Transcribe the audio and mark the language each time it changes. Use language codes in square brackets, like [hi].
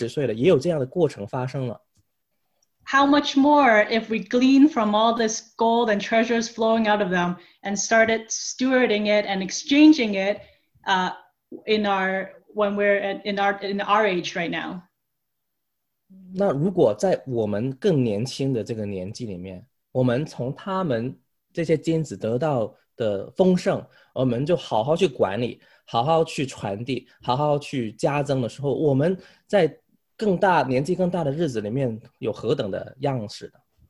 [zh] 相遇之前已经在这个炼净的过程当中，而且他们相遇以后，他们的关系就在过去30年里面有这样的炼净，就是甚至他们已经是50-60岁了，也有这样的过程发生了。 [en] How much more if we glean from all this gold and treasures flowing out of them and started stewarding it and exchanging it in our age right now? [zh] 那如果在我们更年轻的这个年纪里面， 我们从他们这些金子得到的丰盛，我们就好好去管理，好好去传递，好好去加增的时候，我们在更大年纪更大的日子里面有何等的样式呢？